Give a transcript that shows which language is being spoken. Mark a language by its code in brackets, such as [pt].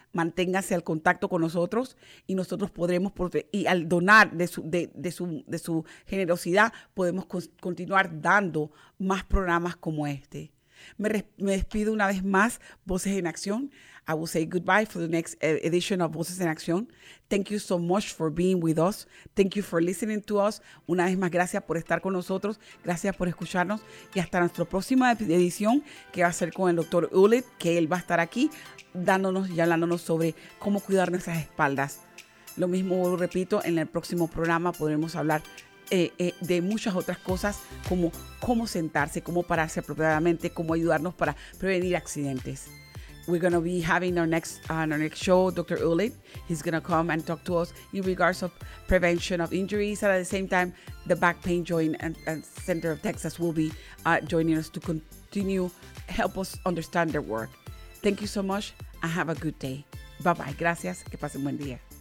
[es] Manténganse al contacto con nosotros y nosotros podremos, y al donar de su generosidad, podemos continuar dando más programas como este. Me despido una vez más, Voces en Acción. [en] I will say goodbye for the next edition of Voces en Acción. Thank you so much for being with us. Thank you for listening to us. [es] Una vez más, gracias por estar con nosotros. Gracias por escucharnos. Y hasta nuestra próxima edición, que va a ser con el Dr. Ulit, que él va a estar aquí dándonos y hablándonos sobre cómo cuidar nuestras espaldas. Lo mismo repito, en el próximo programa podremos hablar de muchas otras cosas, como cómo sentarse, cómo pararse apropiadamente, cómo ayudarnos para prevenir accidentes. [en] We're going to be having our next show, Dr. Ulit. He's going to come and talk to us in regards of prevention of injuries. And at the same time, the Back Pain Joint and Center of Texas will be joining us to continue help us understand their work. Thank you so much and have a good day. Bye-bye. [es] Gracias. Que pasen buen día.